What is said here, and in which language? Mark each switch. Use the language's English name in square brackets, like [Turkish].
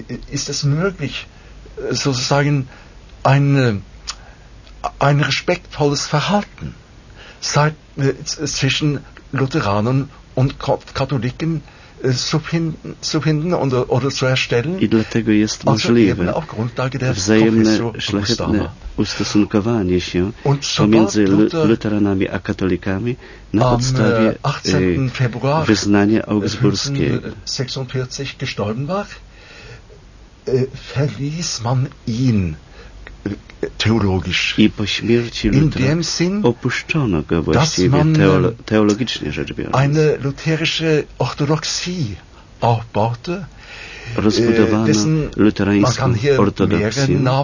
[German] Ist es möglich, sozusagen ein respektvolles Verhalten zwischen Lutheranen und Katholiken zu finden oder zu erstellen. [Polish] I dlatego jest możliwe wzajemne szlachetne ustosunkowanie się pomiędzy luteranami a katolikami na podstawie wyznania augsburskiego. [German] 46 gestorben war, verließ man ihn theologisch. [Polish] I po śmierci Lutra opuszczono go właściwie teologicznie rzecz biorąc. [German] Eine lutherische Orthodoxie aufbaute, [Polish] rozbudowano luterańską ortodoksję.